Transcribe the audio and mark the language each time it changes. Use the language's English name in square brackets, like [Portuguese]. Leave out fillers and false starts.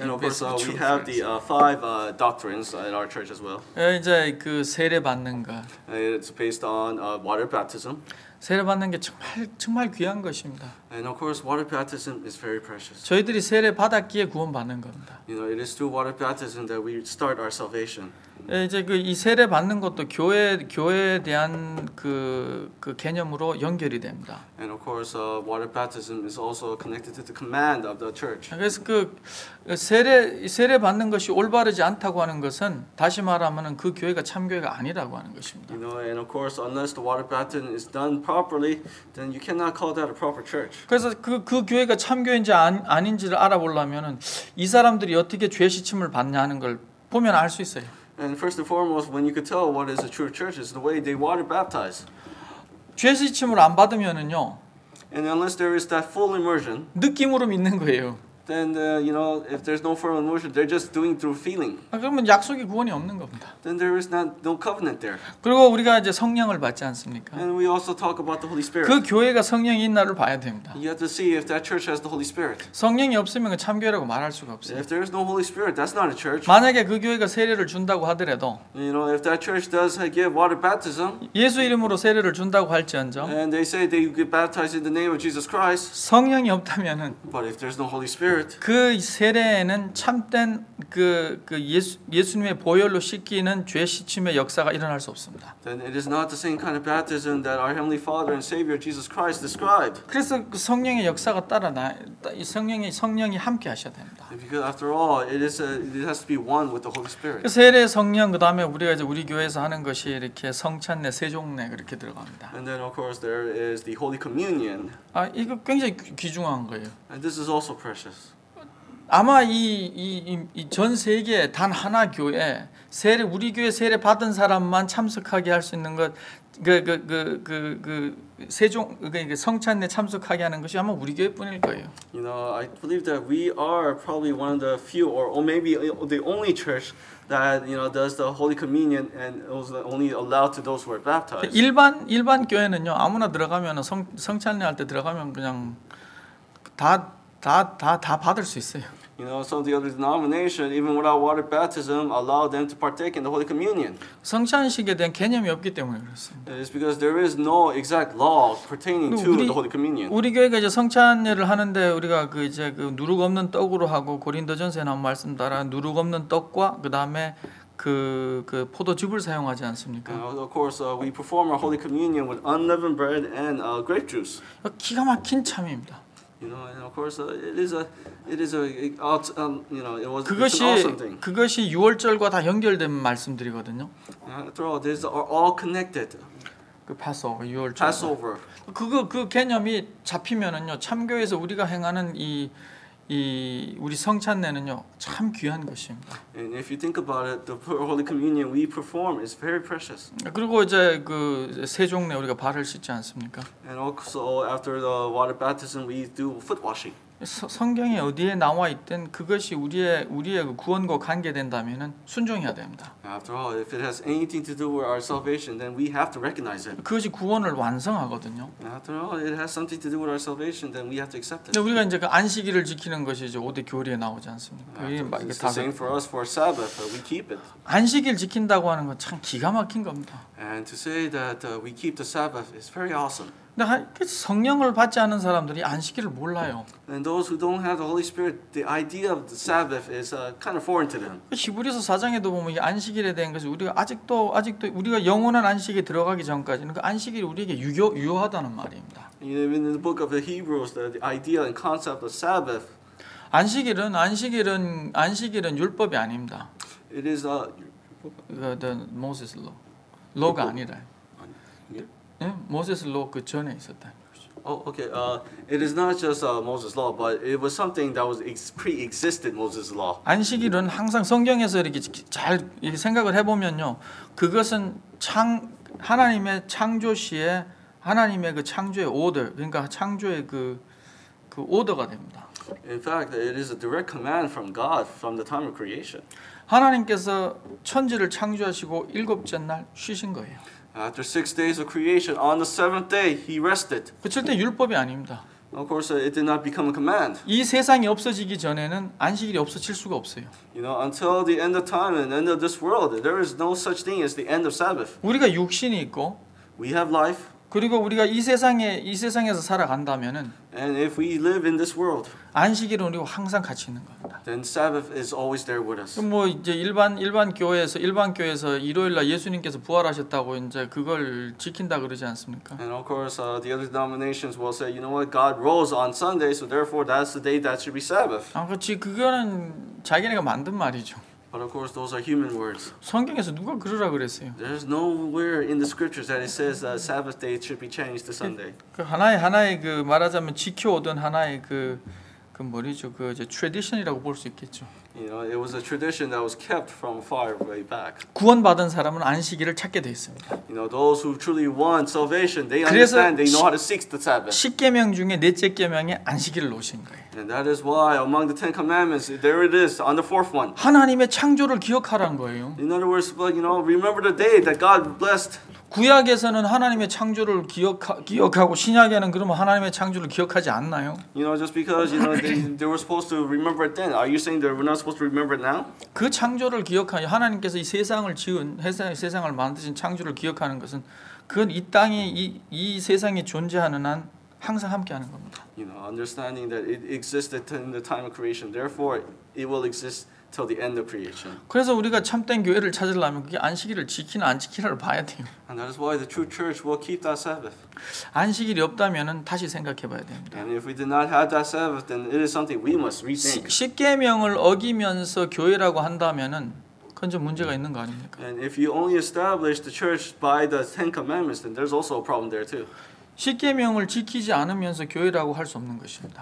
[English] And of course, we have the five doctrines in our church as well. [Korean] 이제 그 세례 받는 것. [English] It's based on water baptism. [Korean] 세례 받는 게 정말 귀한 것입니다. [English] And of course, water baptism is very precious. [Korean] 저희들이 세례 받았기에 구원 받는 겁니다. [English] You know, it is through water baptism that we start our salvation. [Korean] 이제 그 이 세례 받는 것도 교회에 대한 그 개념으로 연결이 됩니다. [English] And of course, water baptism is also connected to the command of the church. [Korean] 그래서 그 세례 받는 것이 올바르지 않다고 하는 것은 다시 말하면은 그 교회가 참 교회가 아니라고 하는 것입니다. [English] You know, and of course, unless the water baptism is done properly, then you cannot call that a proper church. [Korean] 그래서 그 교회가 참 교회인지 아닌지를 알아보려면은 이 사람들이 어떻게 죄 씻음을 받냐 하는 걸 보면 알 수 있어요. [English] And first and foremost, when you could tell what is a true church, is the way they water baptize. [Korean] 죄 씻음을 안 받으면은요. [English] And unless there is that full immersion, [Korean] 느낌으로 믿는 거예요. [English] Then you know, if there's no full immersion, they're just doing through feeling. [Korean] 그러면 약속의 구원이 없는 겁니다. [English] Then there is no covenant there. [Korean] 그리고 우리가 이제 성령을 받지 않습니까? [English] And we also talk about the Holy Spirit. [Korean] 그 교회가 성령이 있나를 봐야 됩니다. [English] You have to see if that church has the Holy Spirit. [Korean] 성령이 없으면 참 교회라고 말할 수가 없어요. [English] If there is no Holy Spirit, that's not a church. [Korean] 만약에 그 교회가 세례를 준다고 하더라도, [English] you know, if that church does give water baptism, [Korean] 예수 이름으로 세례를 준다고 할지언정, [English] and they say they get baptized in the name of Jesus Christ, [Korean] 성령이 없다면은, [English] but if there's no Holy Spirit. [Korean] 그 세례에는 참된 그 예수님의 보혈로 씻기는 죄 씻음의 역사가 일어날 수 없습니다. [English] Then it is not the same kind of baptism that our heavenly Father and Savior Jesus Christ described. [Korean] 그래서 그 성령의 역사가 따라나 성령이 함께 하셔야 됩니다. [English] Because after all, it has to be one with the Holy Spirit. [Korean] 그 세례 성령 그 다음에 우리가 이제 우리 교회에서 하는 것이 이렇게 성찬례 세종례 그렇게 들어갑니다. [English] And then of course there is the Holy Communion. [Korean] 아 이거 굉장히 귀중한 거예요. [English] And this is also precious. [Korean] 아마 이 전 세계 단 하나 교회 세례 우리 교회 세례 받은 사람만 참석하게 할 수 있는 것 그 세종 그 성찬례 참석하게 하는 것이 아마 우리 교회뿐일 거예요. [English] You know, I believe that we are probably one of the few or maybe the only church that you know does the Holy Communion and was only allowed to those who are baptized. [Korean] 일반 교회는요 아무나 들어가면 성찬례 할 때 들어가면 그냥 다 받을 수 있어요. [English] You know, some of the other denominations, even without water baptism, allow them to partake in the Holy Communion. [Korean] 성찬식에 대한 개념이 없기 때문에 그렇습니다. [English] It's because there is no exact law pertaining to the Holy Communion. [Korean] 우리 교회가 이제 성찬례를 하는데 우리가 그 이제 그 누룩 없는 떡으로 하고 고린도전서에 나온 말씀 따라 누룩 없는 떡과 그 다음에 그 포도즙을 사용하지 않습니까? [English] And of course, we perform our holy communion with unleavened bread and grape juice. [Korean] 기가 막힌 참입니다. [English] You know, and of course, it is a you know, it was an awesome thing. [Korean] 그것이 유월절과 다 연결된 말씀들이거든요. [English] After all, these are all connected. [Korean] 그 파스오버, 유월절. 그거 그 개념이 잡히면은요, 참교에서 우리가 행하는 이 우리 성찬례는요 참 귀한 것입니다. [English] And if you think about it, the Holy Communion we perform is very precious. [Korean] 그리고 이제 그 세종례 우리가 발을 씻지 않습니까? [English] And also after the water baptism, we do foot washing. [Korean] 성경에 어디에 나와 있든 그것이 우리의 구원과 관계된다면은 순종해야 됩니다. [English] After all, if it has anything to do with our salvation, then we have to recognize it. [Korean] 그것이 구원을 완성하거든요. [English] After all, it has something to do with our salvation, then we have to accept it. [Korean] 네, 우리가 이제 그 안식일을 지키는 것이 이제 5대 교리에 나오지 않습니까? [English] It's the same for us for Sabbath, but we keep it. [Korean] 안식일 지킨다고 하는 건 참 기가 막힌 겁니다. [English] And to say that we keep the Sabbath is very awesome. [Korean] 근데 성령을 받지 않은 사람들이 안식일을 몰라요. [English] And those who don't have the Holy Spirit, the idea of the Sabbath is kind of foreign to them. [Korean] 히브리서 4장에도 보면 이 안식일에 대한 것이 우리가 아직도 우리가 영원한 안식에 들어가기 전까지는 그 안식일이 우리에게 유효하다는 말입니다. [English] Even in the book of the Hebrews, the idea and concept of Sabbath. [Korean] 안식일은 율법이 아닙니다. [English] It is the Moses law. Law가 [Korean] 아니라. 네, 모세스 로 그 전에 있었다. [English] Oh, okay. It is not just Moses' law, but it was something that was pre-existed Moses' law. [Korean] 안식일은 항상 성경에서 이렇게 잘 생각을 해보면요, 그것은 하나님의 창조 시에 하나님의 그 창조의 오더, 그러니까 창조의 그 오더가 됩니다. [English] In fact, it is a direct command from God from the time of creation. [Korean] 하나님께서 천지를 창조하시고 일곱째 날 쉬신 거예요. [English] After 6 days of creation, on the seventh day, he rested. [Korean] 그칠 때 율법이 아닙니다. [English] Of course, it did not become a command. [Korean] 이 세상이 없어지기 전에는 안식일이 없어질 수가 없어요. [English] You know, until the end of time and end of this world, there is no such thing as the end of Sabbath. [Korean] 우리가 육신이 있고, [English] we have life. [Korean] 그리고 우리가 이 세상에서 살아간다면은, [English] and if we live in this world, [Korean] 안식일은 우리가 항상 같이 있는 겁니다. [English] Then Sabbath is always there with us. [Korean] 뭐 이제 일반 교회에서 일요일 날 예수님께서 부활하셨다고 이제 그걸 지킨다 그러지 않습니까? [English] And of course, the other denominations will say, you know what, God rose on Sunday, so therefore that's the day that should be Sabbath. [Korean] 아, 그렇지. 그거는 자기네가 만든 말이죠. [English] But of course, those are human words. [Korean] 성경에서 누가 그러라 그랬어요? [English] There's nowhere in the scriptures that it says that Sabbath day should be changed to Sunday. [Korean] 그 하나의 그 말하자면 지켜오던 하나의 그 뭐죠? 그 이제 tradition이라고 볼 수 있겠죠. [English] You know, it was a tradition that was kept from far way back. [Korean] 구원받은 사람은 안식일을 찾게 돼 있습니다. [English] You know, those who truly want salvation, they understand, they know how to seek the Sabbath. [Korean] 십계명 중에 넷째 계명에 안식일을 놓으신 거예요. [English] And that is why among the Ten Commandments, there it is on the fourth one. [Korean] 하나님의 창조를 기억하란 거예요. [English] In other words, but, you know, remember the day that God blessed. [Korean] 구약에서는 하나님의 창조를 기억하고 신약에는 그러면 하나님의 창조를 기억하지 않나요? [English] You know, just because you know they were supposed to remember it then, are you saying they're not supposed to remember it now? [Korean] 그 창조를 기억하여 하나님께서 이 세상을 지은 세상을 만드신 창조를 기억하는 것은 그건 이 땅에 이 세상에 존재하는 한 항상 함께하는 겁니다. [English] You know, understanding that it existed in the time of creation, therefore it will exist. Till the end of creation. [Korean] 그래서 우리가 참된 교회를 찾으려면 그게 안식일을 지키는 안 지키는를 봐야 돼요. [English] And that is why the true church will keep that Sabbath. [Korean] 안식일이 없다면은 다시 생각해봐야 됩니다. [English] And if we did not have that Sabbath, then it is something we must rethink. [Korean] 십계명을 어기면서 교회라고 한다면은 그건 좀 문제가 있는 거 아닙니까? [English] And if you only establish the church by the Ten Commandments, then there's also a problem there too. [Korean] 십계명을 지키지 않으면서 교회라고 할 수 없는 것입니다.